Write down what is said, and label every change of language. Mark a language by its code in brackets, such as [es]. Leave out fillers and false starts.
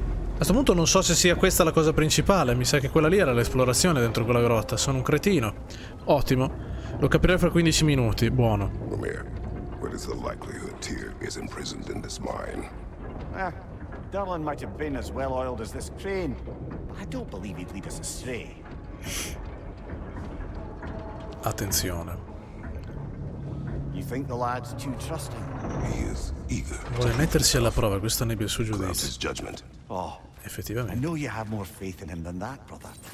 [it] A questo punto non so se sia questa la cosa principale. Mi sa che quella lì era l'esplorazione dentro quella grotta. Sono un cretino. Ottimo. Lo capirei fra 15 minuti. Buono. [en] Lumiere, what is the likelihood Tyr is imprisoned in this mine? Darlan might have been as well oiled as this crane, but I don't believe he'd lead us astray. [it] Attenzione. [en] You think the lad's too trusting? He is eager. [it] Vuole mettersi alla prova, questo nebbia il suo giudizio. [en] Judgment. Oh, [it] effettivamente. [en] I know you have more faith in him than that, brother.